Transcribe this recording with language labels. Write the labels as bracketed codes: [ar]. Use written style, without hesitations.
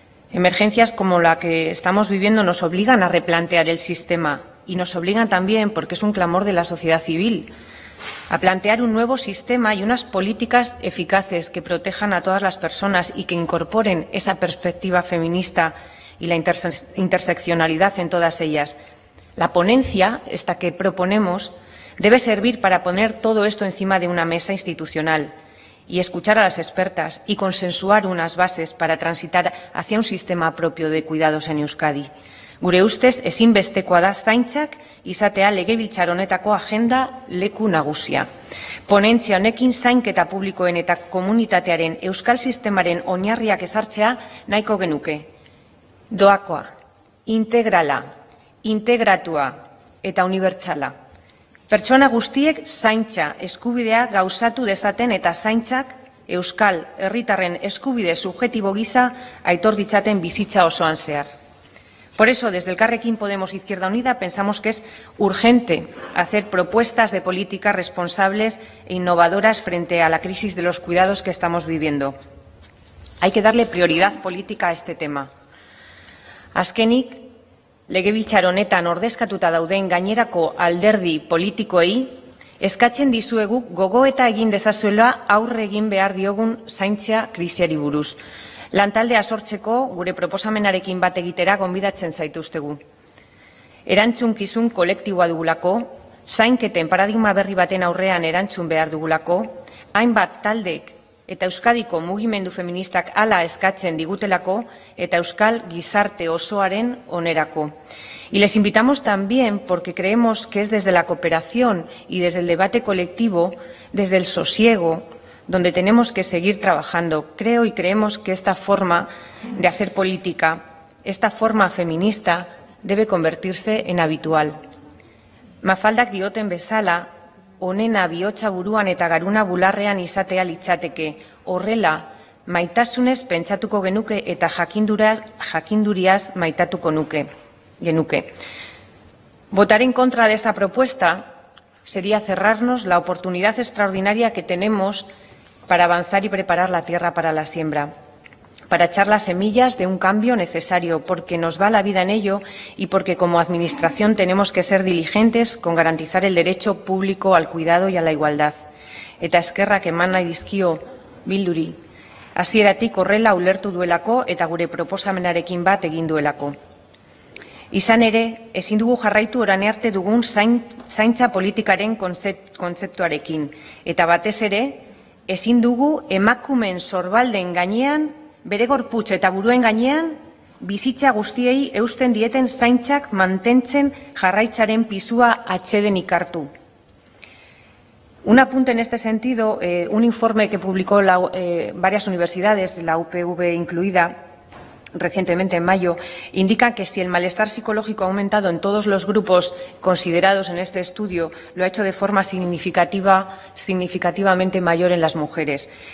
[es] Emergencias como la que estamos viviendo nos obligan a replantear el sistema y nos obligan también, porque es un clamor de la sociedad civil, a plantear un nuevo sistema y unas políticas eficaces que protejan a todas las personas y que incorporen esa perspectiva feminista y la interseccionalidad en todas ellas. La ponencia, esta que proponemos, debe servir para poner todo esto encima de una mesa institucional y escuchar a las expertas y consensuar unas bases para transitar hacia un sistema propio de cuidados en Euskadi. [eu] Gure ustez, ezinbestekoa da zaintzak izatea legebiltzar honetako agenda leku nagusia. Ponentzia honekin zainketa publikoen eta komunitatearen euskal sistemaren oinarriak ezartzea nahiko genuke. Doakoa, integrala, integratua eta unibertsala. Pertsona guztiek zaintza eskubidea gauzatu dezaten eta zaintzak euskal herritarren eskubide subjetibo gisa aitor ditzaten bizitza osoan zehar. [es] Por eso, desde Elkarrekin Podemos Izquierda Unida, pensamos que es urgente hacer propuestas de políticas responsables e innovadoras frente a la crisis de los cuidados que estamos viviendo. Hay que darle prioridad política a este tema. [eu] Azkenik, legebiltzar honetan ordezkatuta dauden gainerako alderdi politikoei, eskatzen dizuegu gogoeta egin dezazuela aurre egin behar diogun zaintza krisiari buruz. Lantaldea sortzeko gure proposamenarekin bat egitera gonbidatzen zaituztegu. Erantzunkizun kolektiboa dugulako, zainketen paradigma berri baten aurrean erantzun behar dugulako, hainbat taldek eta Euskadiko mugimendu feministak hala eskatzen digutelako eta euskal gizarte osoaren onerako. [es] Y les invitamos también porque creemos que es desde la cooperación y desde el debate colectivo, desde el sosiego, donde tenemos que seguir trabajando. Creo y creemos que esta forma de hacer política, esta forma feminista, debe convertirse en habitual. [eu] Mafaldak dioten bezala, onena bihotza buruan eta garuna bularrean izatea litzateke. Horrela, maitasunez pentsatuko genuke eta jakinduriaz maitatuko genuke. [es] Votar en contra de esta propuesta sería cerrarnos la oportunidad extraordinaria que tenemos para avanzar y preparar la tierra para la siembra, para echar las semillas de un cambio necesario, porque nos va la vida en ello y porque como Administración tenemos que ser diligentes con garantizar el derecho público al cuidado y a la igualdad. [eu] Eta eskerrak eman nahi dizkio Bilduri, hasieratik horrela ulertu duelako eta gure proposamenarekin bat egin duelako. Izan ere, ezin dugu jarraitu orain arte dugun zaintza politikaren kontzeptuarekin, eta batez ere, ezin dugu emakumeen sorbalden gainean, bere gorputz eta buruen gainean, bizitza guztiei eusten dieten zaintzak mantentzen jarraitzaren pisua atxedenik hartu. [es] Un apunte en este sentido, un informe que publicó varias universidades, la UPV incluida, recientemente en mayo, indica que si el malestar psicológico ha aumentado en todos los grupos considerados en este estudio, lo ha hecho de forma significativamente mayor en las mujeres.